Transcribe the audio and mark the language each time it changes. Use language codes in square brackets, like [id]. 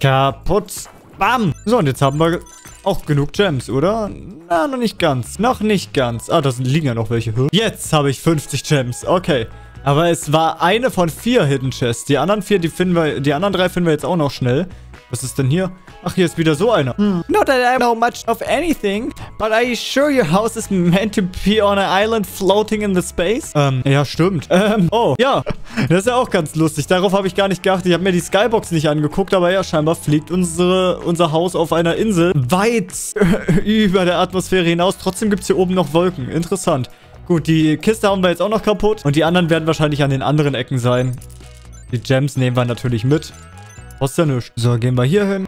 [de] Kaputt. Bam. So, und jetzt haben wir auch genug Gems, oder? Na, noch nicht ganz. Noch nicht ganz. Ah, da liegen ja noch welche. Jetzt habe ich 50 Gems. Okay. Aber es war eine von 4 Hidden Chests. Die anderen 4, die anderen 3 finden wir jetzt auch noch schnell. Was ist denn hier? Ach, hier ist wieder so einer. [en] Not that I know much of anything, but I assure your house is meant to be on an island floating in the space. [de] Ja, stimmt. Ja. Das ist ja auch ganz lustig. Darauf habe ich gar nicht geachtet. Ich habe mir die Skybox nicht angeguckt, aber ja, scheinbar fliegt unser Haus auf einer Insel weit über der Atmosphäre hinaus. Trotzdem gibt es hier oben noch Wolken. Interessant. Gut, die Kiste haben wir jetzt auch noch kaputt. Und die anderen werden wahrscheinlich an den anderen Ecken sein. Die Gems nehmen wir natürlich mit. Kostet ja nichts. So, gehen wir hier hin.